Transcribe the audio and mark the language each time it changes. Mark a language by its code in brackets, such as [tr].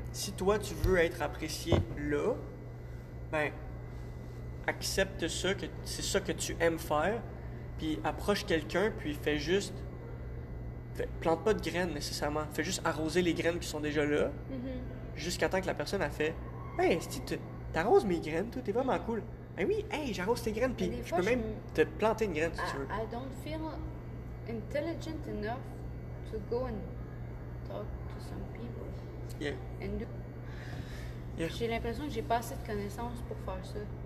[fr] Si toi, tu veux être apprécié là, ben, accepte ça, que c'est ça que tu aimes faire, puis approche quelqu'un, puis fais juste. Fait, plante pas de graines nécessairement. Fais juste arroser les graines qui sont déjà là. Mm-hmm. Jusqu'à temps que la personne a fait hey, si tu t'arroses mes graines, toi, t'es vraiment cool. Ben oui, hey, j'arrose tes graines, puis je peux même te planter une graine si tu veux. [en] I don't feel intelligent enough to go and talk to some people. Yeah. And do. Yeah. [fr] J'ai l'impression que j'ai pas assez de connaissances pour faire ça.